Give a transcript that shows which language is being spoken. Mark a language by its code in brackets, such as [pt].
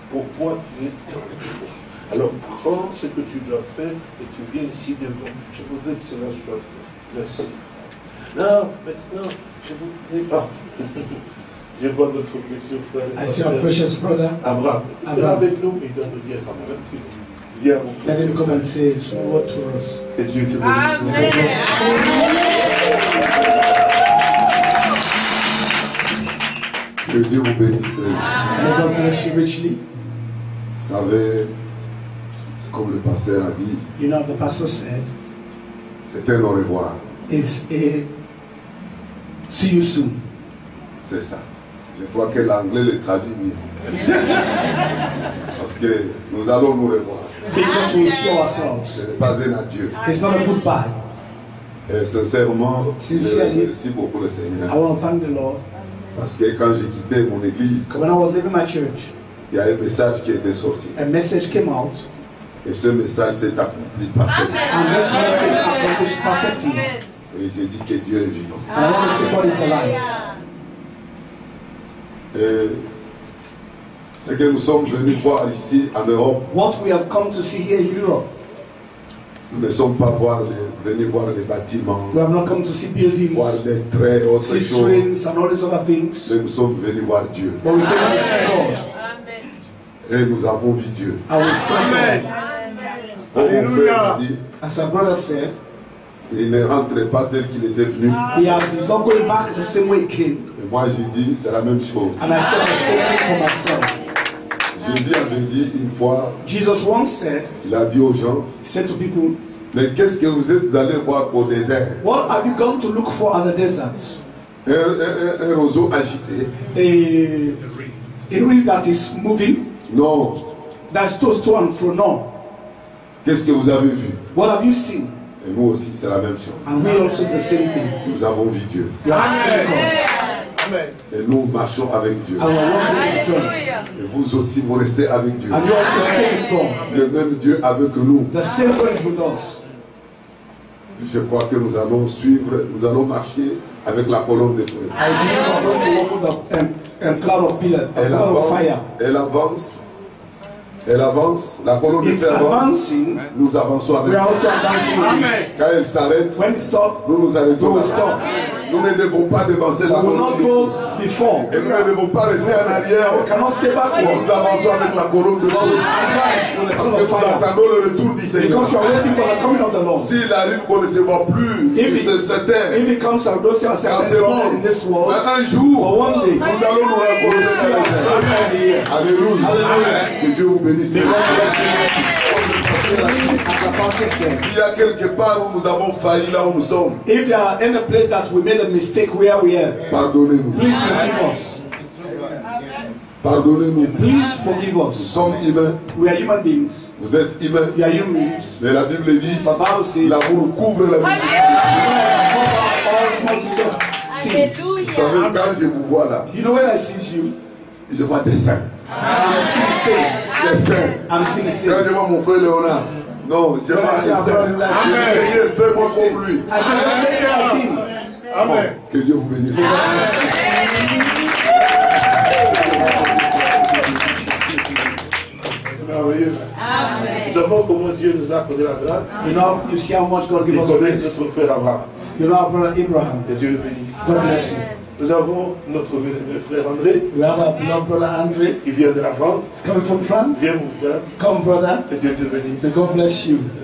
[fr] Pourquoi tu es dans le fond? Alors prends ce que tu dois faire et tu viens ici devant. Je voudrais que cela soit fait. Merci, frère. Non, maintenant, je ne voudrais pas. Je vois notre précieux frère. [en] I see our precious brother. [fr] Abraham. Il est avec nous, mais il doit nous dire quand même un petit peu. Viens, mon [en] frère. Let him come and say some word to us. [fr] Que Dieu te bénisse. Amen. Que Dieu vous bénisse très richement. Vous savez, c'est comme le pasteur a dit. [en] You know, the pastor said, [fr] c'est un au revoir. [en] It's a see you soon. [fr] C'est ça. Je crois que l'anglais le traduit bien. Parce que nous allons nous revoir. [en] Because we saw ourselves. [fr] Ce n'est pas un adieu. [en] It's not a goodbye. [fr] Et sincèrement, sincèrement, je remercie beaucoup le Seigneur. [en] I want to thank the Lord. [fr] Parce que quand j'ai quitté mon église, [en] when I was leaving my church, [fr] il y a un message qui était sorti. [en] A message came out. [fr] Et ce message s'est accompli parfaitement. [en] And this message accomplished perfectly. [fr] Et j'ai dit que Dieu est vivant. [en] And I want to say God is alive. [fr] Et ce que nous sommes venus voir ici en Europe, [en] what we have come to see here in Europe, [fr] nous ne sommes pas venus voir les bâtiments, [en] we have not come to see buildings, [fr] voir les traits, autres [en] see [fr] choses, [en] trains and all these other things, [fr] mais nous sommes venus voir Dieu. [en] But we came to see God. [fr] Et nous avons vu Dieu. Amen. Amen. Alléluia. [en] As our brother said, [fr] il ne rentre pas tel qu'il était venu. [en] He's not going back the same way he came. [fr] Et moi j'ai dit c'est la même chose. [en] And I said the same thing for myself. [fr] Jésus avait dit une fois. [en] Jesus once said. [fr] Il a dit aux gens. [en] He said to people. [fr] Mais qu'est-ce que vous êtes allés voir au désert? [en] What have you gone to look for at the desert? [fr] Un roseau agité. [en] A reed that is moving. [fr] Non. [en] That's tossed to and fro. Non. [fr] Qu'est-ce que vous avez vu? [en] What have you seen? [fr] Et nous aussi, c'est la même chose. [en] And we also the same thing. [fr] Nous avons vu Dieu. Amen. Et nous marchons avec Dieu. Hallelujah. Et vous aussi, vous restez avec Dieu. [en] And you also stay with God. [fr] Le même Dieu avec nous. [en] The same God is with us. [fr] Je crois que nous allons suivre, nous allons marcher avec la colonne de feu. [en] I believe we're going to walk with a cloud of pillars, a cloud of fire. [fr] Elle avance. Elle avance, la colonne de fer avance, nous avançons avec nous. Amen. Quand elle s'arrête, nous nous arrêtons. [en] Stop. [fr] Nous ne devons pas devancer la colonne. Et nous ne devons pas rester en arrière. [en] Stay back. [fr] Nous avançons avec la colonne de feu. Parce que nous attendons le retour du Seigneur. S'il arrive qu'on ne se voit plus sur cette terre, [en] comes, [fr] dans ce monde, [en] world, [fr] mais un jour, [en] one day, [fr] nous allons nous rencontrer. Alléluia. Que Dieu vous bénisse. S'il y a quelque part où nous avons failli là où nous sommes, [en] if there are any place that we made a mistake where we are, [fr] pardonnez-nous. [en] Please forgive us. [fr] Pardonnez-nous. [en] Please forgive us. [fr] Nous sommes humains. [en] We are human beings. [fr] Vous êtes humains. [en] We are human beings. [fr] Mais la Bible dit, [en] the Bible says, [fr] l'amour couvre la multitude. Vous savez quand je vous vois là, [en] you know when I see you, [fr] je vois des saints. Quand je vois mon frère Léonard, non, je vois un frère. Je fais moi pour lui. Amen. Bon, que Dieu vous bénisse. Amen. Nous savons comment Dieu nous a accordé la grâce. [en] You know, you see how much God gives us. [fr] Il connaît notre frère Abraham. [en] You know, brother Abraham. [fr] Que Dieu le bénisse. [en] God bless you. [fr] Nous avons notre frère André. [en] We have a brother André. [fr] Qui vient de la France. [en] He's coming from France. [fr] Viens mon frère. [en] Come brother. [fr] Que Dieu te bénisse. [en] God bless you.